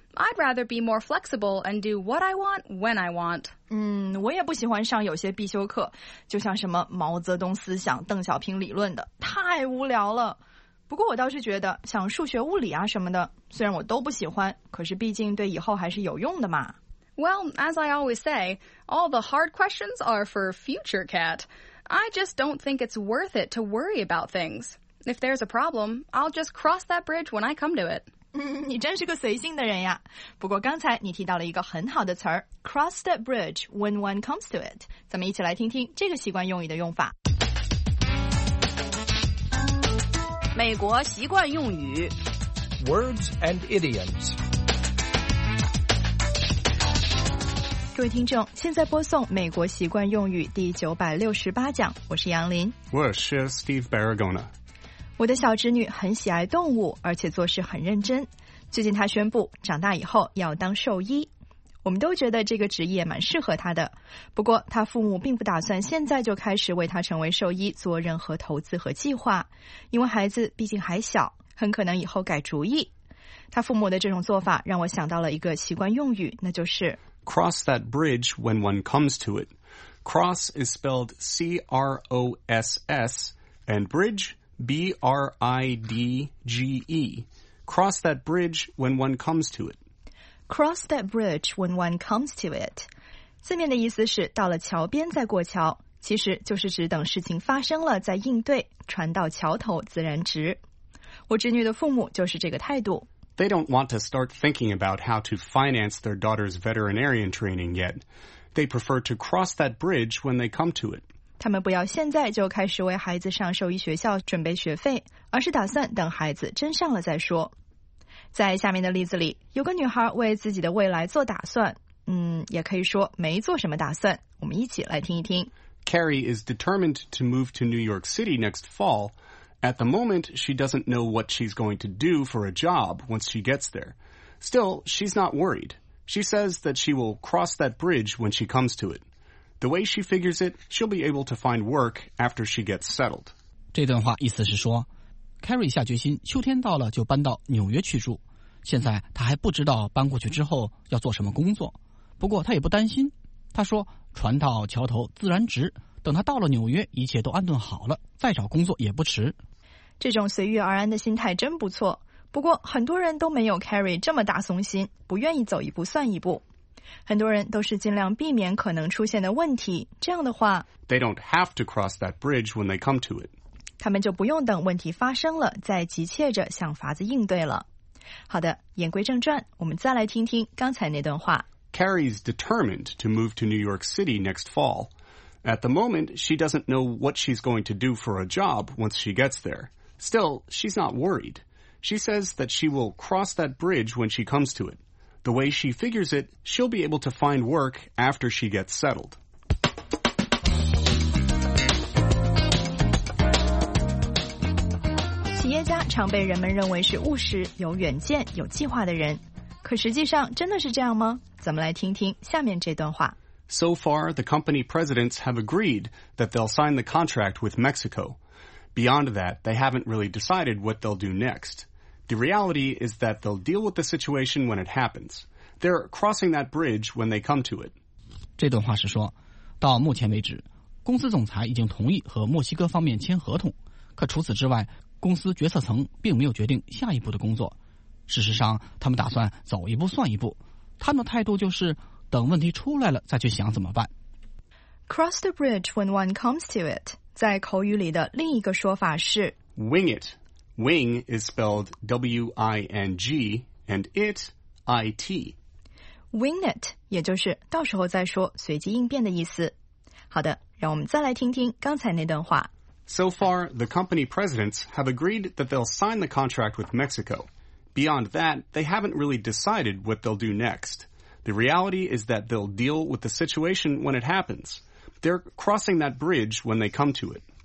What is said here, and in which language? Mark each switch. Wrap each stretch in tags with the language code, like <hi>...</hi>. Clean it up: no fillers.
<en>I'd rather be more flexible and do what I want when I want.</en> <zh>我也不喜欢上有些必修课，就像什么毛泽东思想、邓小平理论的，太无聊了。不过我倒是觉得，像数学、物理啊什么的，虽然我都不喜欢，可是毕竟对以后还是有用的嘛。</zh> <en>Well, as I always say, all the hard questions are for future Cat. I just don't think it's worth it to worry about things. If there's a problem, I'll just cross that bridge when I come to it.</en> <zh>你真是个随性的人呀。不过刚才你提到了一个很好的词儿</zh> <en>cross that bridge when one comes to it.</en> <zh>咱们一起来听听这个习惯用语的用法。美国习惯用语</zh> <en>Words and idioms.</en> <zh>各位听众，现在播送美国习惯用语第968讲，我是杨林。我是 Steve Barragona。我的小侄女很喜爱动物，而且做事很认真。最近她宣布长大以后要当兽医，我们都觉得这个职业蛮适合她的。不过她父母并不打算现在就开始为她成为兽医做任何投资和计划，因为孩子毕竟还小，很可能以后改主意。她父母的这种做法让我想到了一个习惯用语，那就是</zh> <en>Cross that bridge when one comes to it. Cross is spelled C-R-O-S-S and bridge B-R-I-D-G-E. Cross that bridge when one comes to it. Cross that bridge when one comes to it.</en> <zh>字面的意思是到了桥边再过桥，其实就是指等事情发生了再应对，船到桥头自然直。我侄女的父母就是这个态度。</zh> <en>They don't want to start thinking about how to finance their daughter's veterinarian training yet. They prefer to cross that bridge when they come to it.</en> <zh>他们不要现在就开始为孩子上兽医学校准备学费，而是打算等孩子真上了再说。在下面的例子里，有个女孩为自己的未来做打算，也可以说没做什么打算。我们一起来听一听。</zh> <en>Carrie is determined to move to New York City next fall. At the moment, she doesn't know what she's going to do for a job once she gets there. Still, she's not worried. She says that she will cross that bridge when she comes to it. The way she figures it, she'll be able to find work after she gets settled.</en> <zh>这段话意思是说 ,Carrie 下决心秋天到了就搬到纽约去住。现在她还不知道搬过去之后要做什么工作。不过她也不担心。她说船到桥头自然直。等他到了纽约，一切都安顿好了，再找工作也不迟。这种随遇而安的心态真不错。不过很多人都没有 Carrie 这么大松心，不愿意走一步算一步。很多人都是尽量避免可能出现的问题，这样的话</zh> <en>They don't have to cross that bridge when they come to it.</en> <zh>他们就不用等问题发生了再急切着想法子应对了。好的，言归正传，我们再来听听刚才那段话。</zh> <en>Carrie's determined to move to New York City next fall. At the moment, she doesn't know what she's going to do for a job once she gets there. Still, she's not worried. She says that she will cross that bridge when she comes to it. The way she figures it, she'll be able to find work after she gets settled.</en> <zh>常被人们认为是务实、有远见、有计划的人，可实际上真的是这样吗？咱们来听听下面这段话。</zh> <en>So far, the company presidents have agreed that they'll sign the contract with Mexico. Beyond that, they haven't really decided what they'll do next. The reality is that they'll deal with the situation when it happens. They're crossing that bridge when they come to it.</en> <zh>这段话是说，到目前为止，公司总裁已经同意和墨西哥方面签合同，可除此之外。公司决策层并没有决定下一步的工作，事实上他们打算走一步算一步，他们的态度就是等问题出来了再去想怎么办。</zh> <en>Cross the bridge when one comes to it</en> <zh>在口语里的另一个说法是</zh> <en>Wing it. Wing is spelled W-I-N-G and it I-T.</en> <zh>Wing it 也就是到时候再说，随机应变的意思。好的，让我们再来听听刚才那段话。</zh> <en>So far, the company presidents have agreed that they'll sign the contract with Mexico. Beyond that, they haven't really decided what they'll do next. The reality is that they'll deal with the situation when it happens. They're crossing that bridge when they come to it.</en>